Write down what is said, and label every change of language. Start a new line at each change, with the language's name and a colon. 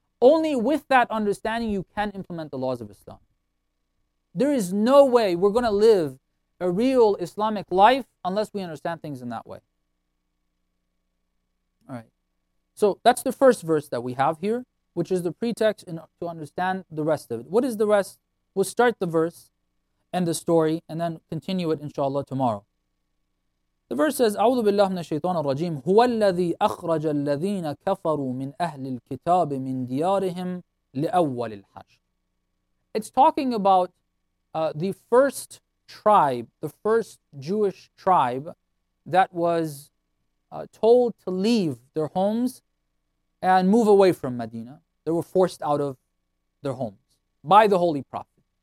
English: Only with that understanding you can implement the laws of Islam. There is no way we're going to live a real Islamic life unless we understand things in that way. All right. So that's the first verse that we have here, which is the pretext to understand the rest of it. What is the rest? We'll start the verse and the story and then continue it, inshallah, tomorrow. The verse says,
Arabic: أعوذ بالله من الشيطان الرجيم هو الذي أخرج الذين كفروا من أهل الكتاب من ديارهم لأول الحشر.
English: It's talking about the first tribe, the first Jewish tribe that was told to leave their homes and move away from Medina. They were forced out of their homes by the Holy Prophet.